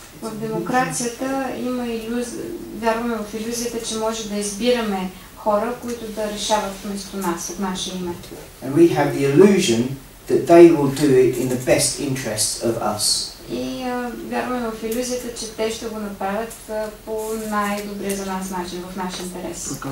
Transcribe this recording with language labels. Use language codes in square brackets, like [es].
[bg] В демокрацията вярваме в иллюзията, че може да избираме хора, които да решават вместо нас, от наше име. [en] And we have the illusion that they will do it in the best interests of us. [bg] И вярваме в иллюзията, че те ще го направят по най-добре за нас начин, в наш интерес.